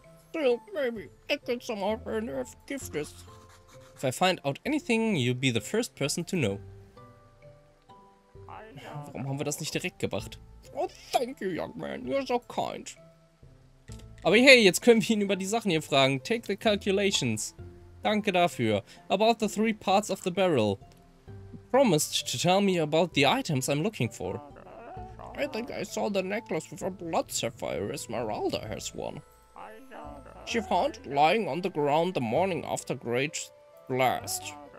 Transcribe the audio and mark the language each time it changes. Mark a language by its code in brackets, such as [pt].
[en] Still, maybe I could somehow earn her gift. If I find out anything, you'll be the first person to know. [de] Warum haben wir das nicht direkt gebracht? [en] Oh, thank you, young man. You're so kind. [de] Aber hey, jetzt können wir ihn über die Sachen hier fragen. [en] Take the calculations. [de] Danke dafür. [en] About the 3 parts of the barrel. You promised to tell me about the items I'm looking for. I think I saw the necklace with a blood sapphire Esmeralda has won. She found it lying on the ground the morning after Great Blast.